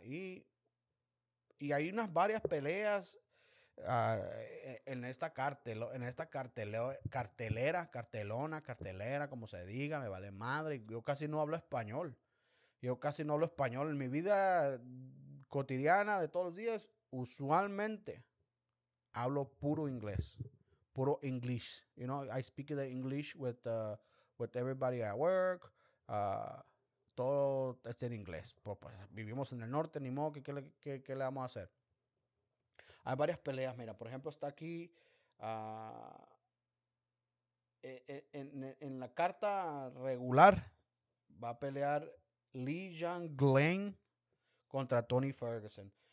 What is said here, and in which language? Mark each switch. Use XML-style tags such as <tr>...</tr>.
<es>Y hay unas varias peleas en esta cartelera, como se diga, me vale madre, yo casi no hablo español. En mi vida cotidiana de todos los días, usualmente hablo puro inglés. Puro English.</es> <en>You know, I speak the English with everybody at work.</en> <es>Todo está en inglés. Pues vivimos en el norte, ni modo, ¿qué le vamos a hacer? Hay varias peleas, mira, por ejemplo, está aquí. En la carta regular va a pelear Lee Jang Glen contra Tony Ferguson.</es>